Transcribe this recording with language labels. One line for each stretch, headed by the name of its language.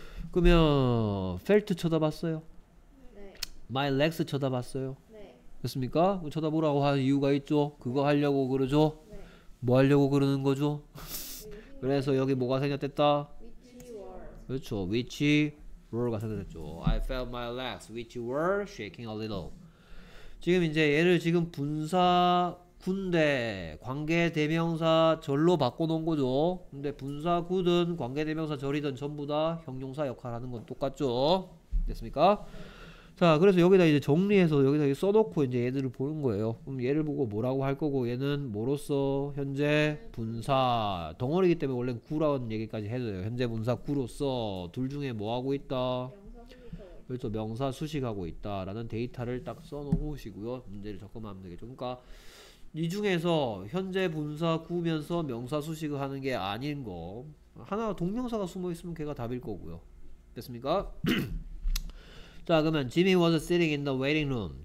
Korean: 그러면 felt 쳐다봤어요?
English: My legs
Korean: 쳐다봤어요. 네. 됐습니까? 쳐다보라고 하는 이유가 있죠. 그거 하려고 그러죠. 네. 뭐 하려고 그러는 거죠. 그래서 여기 뭐가 생겼댔다?
English: Which were.
Korean: 그렇죠.
English: Which were
Korean: 가 생겼죠.
English: I felt my legs which were shaking a little.
Korean: 지금 이제 얘를 지금 분사 군대 관계 대명사 절로 바꿔놓은 거죠. 근데 분사 군은 관계 대명사 절이든 전부 다 형용사 역할하는 건 똑같죠. 됐습니까? 네. 자, 그래서 여기다 이제 정리해서 여기다 써놓고 이제 얘들을 보는 거예요. 그럼 얘를 보고 뭐라고 할 거고 얘는 뭐로써 현재 분사 덩어리이기 때문에 원래 구라는 얘기까지 해도 돼요. 현재 분사 구로서 둘 중에 뭐 하고 있다? 그래서 명사 수식하고 있다라는 데이터를 딱 써놓으시고요. 문제를 접근하면 되겠죠. 그러니까 이 중에서 현재 분사 구면서 명사 수식을 하는 게 아닌 거 하나 동명사가 숨어 있으면 걔가 답일 거고요. 됐습니까? 자, 그러면
English: Jimmy was sitting in the waiting room.